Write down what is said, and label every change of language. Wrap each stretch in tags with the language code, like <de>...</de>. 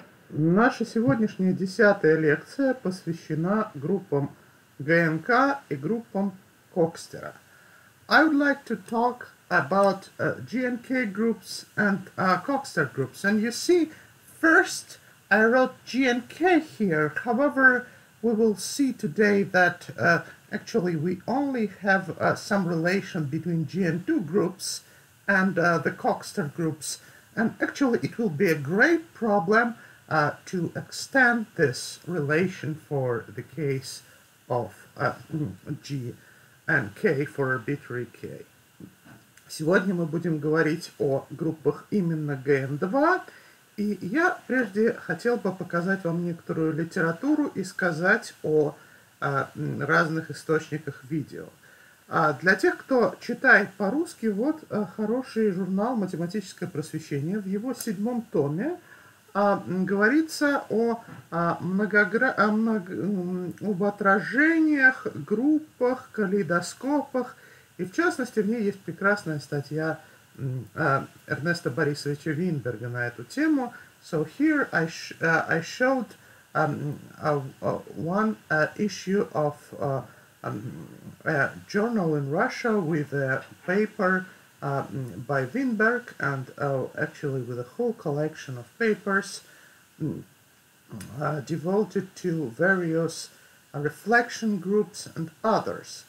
<ru>Наша сегодняшняя 10-я лекция посвящена группам ГНК и группам Кокстера.</ru> <en>I would like to talk about GNK groups and Кокстер groups. And you see, first I wrote GNK here. However, we will see today that actually we only have some relation between GN2 groups and the Кокстер groups. And actually it will be a great problem to extend this relation for the case of G and K, for arbitrary K.</en> <ru>Сегодня мы будем говорить о группах именно GN2, и я прежде хотел бы показать вам некоторую литературу и сказать о разных источниках видео. Для тех, кто читает по-русски, вот хороший журнал «Математическое просвещение». В его 7-м томе говорится о об отражениях, группах, калейдоскопах. И в частности, в ней есть прекрасная статья Эрнеста Борисовича Винберга на эту тему.</ru> <en>So here I showed one issue of a journal in Russia with a paper by Winberg and actually with a whole collection of papers devoted to various reflection groups and others.</en>